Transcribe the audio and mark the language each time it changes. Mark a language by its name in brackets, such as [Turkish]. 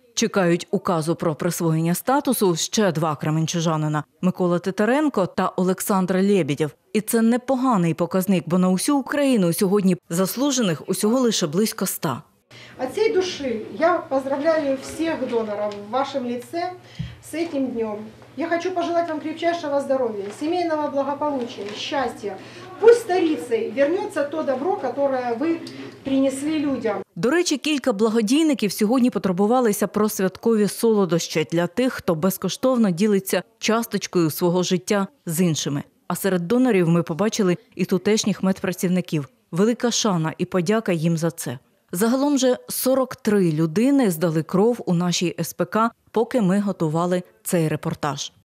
[Ukrainian] Чекають указу про присвоєння статусу ще два кременчужанина – Микола Титаренко та Олександр Лєбідєв. І це непоганий показник, бо на усю Україну сьогодні заслужених усього лише близько 100. От цієї душі я поздравляю всіх донорів в вашому лице з цим днем. [Russian] Я хочу пожелать вам крепчайшего здоровья, семейного благополучия, счастья. Пусть старицей вернется то добро, которое вы принесли людям. [Ukrainian] До речі, кілька благодійників сьогодні потребувалися про святкові солодощі для тих, хто безкоштовно ділиться часточкою свого життя з іншими. А серед донорів ми побачили і тутешніх медпрацівників. Велика шана і подяка їм за це. Загалом же 43 людини здали кров у нашій СПК, поки ми готували цей репортаж.